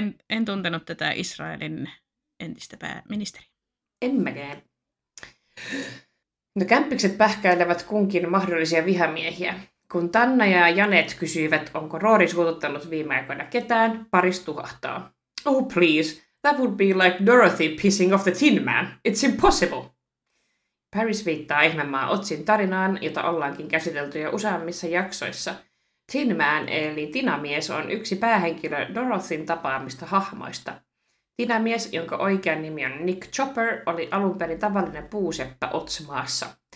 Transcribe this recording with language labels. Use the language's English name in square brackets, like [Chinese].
[Finnish] En tuntenut tätä Israelin entistä pääministeriä. En mäkään. No kämppikset pähkäilevät kunkin mahdollisia vihamiehiä. Kun Tanna ja Janet kysyivät, onko Roori suututtanut viime aikoina ketään, paris tuhahtaa. [English] Oh please, that would be like Dorothy pissing off the Tin Man. It's impossible. [Finnish] Paris viittaa ihmemaa Otsin tarinaan, jota ollaankin käsitelty jo useammissa jaksoissa. Tin Man, eli Tinamies, on yksi päähenkilö Dorothyn tapaamista hahmoista. Tinamies, jonka oikea nimi on Nick Chopper, oli alun perin tavallinen puuseppä Otsmaassa.